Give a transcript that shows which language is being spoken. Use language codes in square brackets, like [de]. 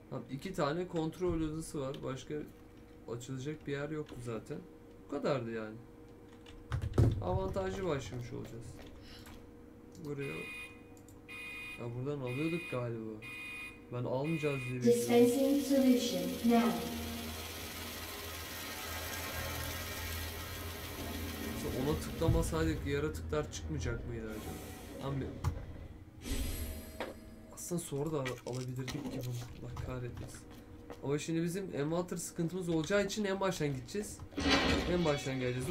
[tr] İki tane kontrol odası var. Başka açılacak bir yer yoktu zaten. Bu kadardı yani. Avantajlı başlamış olacağız. Buraya. Ya buradan alıyorduk galiba. Ben almayacağız diye biliyorum. [en] Dispensing solution now. [tr] Mesela ona tıklamasaydık yaratıklar çıkmayacak mıydı acaba? Anlıyorum. Aslında sonra da alabilirdik ki bunu. Allah kahretmesin. Ama şimdi bizim envanter sıkıntımız olacağı için en baştan gideceğiz. En baştan geleceğiz.